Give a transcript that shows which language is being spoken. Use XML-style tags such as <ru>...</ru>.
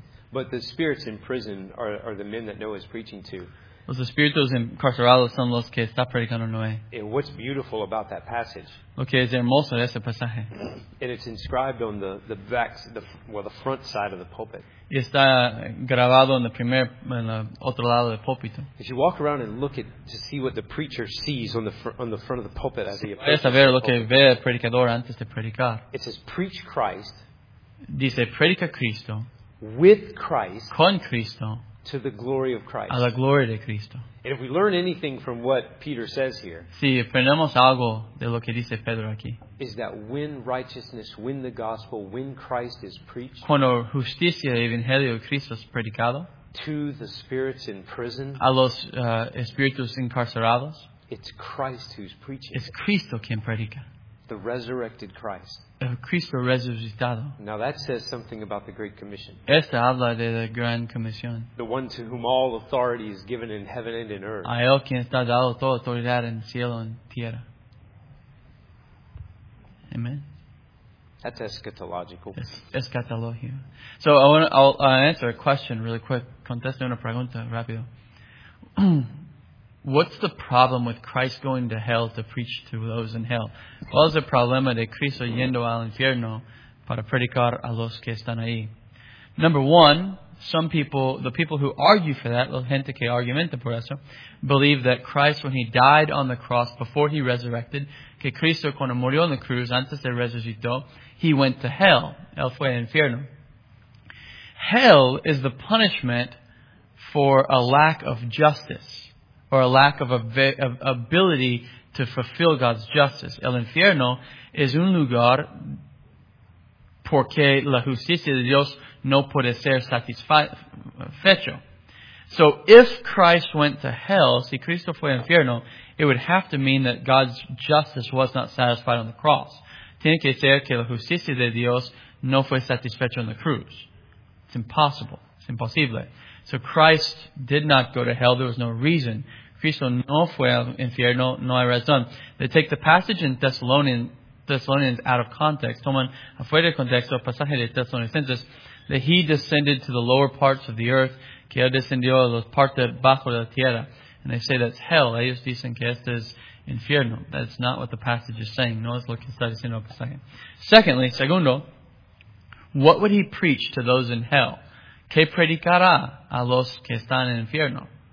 <en>But the spirits in prison are the men that Noah is preaching to.</en> <es>Los espíritus encarcelados son los que está predicando Noé.</es> <en>And what's beautiful about that passage?</en> <es>Lo que es hermoso de ese pasaje.</es> <en>And it's inscribed on the front side of the pulpit.</en> <es>Y está grabado en el otro lado del púlpito.</es> <en>If you walk around and look at to see what the preacher sees on the front of the pulpit as he approaches.</en> <es>Puedes ver lo que ve el predicador antes de predicar.</es> <en>It says preach Christ.</en> <es>Dice predica Cristo.</es> <en>With Christ.</en> <es>Con Cristo.</es> <en>To the glory of Christ.</en> <es>A la gloria de Cristo.</es> <en>And if we learn anything from what Peter says here,</en> <es>si aprendemos algo de lo que dice Pedro aquí,</es> <en>is that when righteousness, when the gospel, when Christ is preached,</en> <es>cuando justicia y evangelio de Cristo es predicado,</es> <en>to the spirits in prison,</en> <es>a los espíritus encarcelados,</es> <en>it's Christ who's preaching.</en> <es>Es Cristo quien predica.</es> <en>The resurrected Christ.</en> <es>El Cristo resucitado.</es> <en>Now that says something about the Great Commission.</en> <es>Esta habla de la Gran Comisión.</es> <en>The one to whom all authority is given in heaven and in earth.</en> <es>A él quien está dado toda autoridad en cielo y en tierra. Amen.</es> <en>That's eschatological. Eschatología. So I'll answer a question really quick.</en> <es>Conteste una pregunta rápido.</es> <en>What's the problem with Christ going to hell to preach to those in hell?</en> <es>¿Cuál es el problema de Cristo yendo al infierno para predicar a los que están ahí?</es> <en>Number one, some people, the people who argue for that,</en> <es>la gente que argumenta por eso,</es> <en>believe that Christ, when he died on the cross before he resurrected,</en> <es>que Cristo cuando murió en la cruz antes de resucitó,</es> <en>he went to hell.</en> <es>Él fue al infierno.</es> <en>Hell is the punishment for a lack of justice or a lack of ability to fulfill God's justice.</en> <es>El infierno es un lugar porque la justicia de Dios no puede ser satisfecho.</es> <en>So if Christ went to hell,</en> <es>si Cristo fue al infierno,</es> <en>it would have to mean that God's justice was not satisfied on the cross.</en> <es>Tiene que ser que la justicia de Dios no fue satisfecho en la cruz.</es> <en>It's impossible. It's imposible. So Christ did not go to hell. There was no reason.</en> <es>Cristo no fue al infierno, no hay razón.</es> <en>They take the passage in Thessalonians out of context.</en> <es>Toman afuera de contexto el pasaje de Thessalonians,</es> <en>that he descended to the lower parts of the earth,</en> <es>que él descendió a los partes bajo de la tierra.</es> <en>And they say that's hell.</en> <es>Ellos dicen que este es infierno.</es> <en>That's not what the passage is saying.</en> <es>No es lo que está diciendo el pasaje.</es> <en>Secondly,</en> <es>segundo,</es> <en>what would he preach to those in hell?</en> <es>¿Qué predicará a los que están en infierno?</es>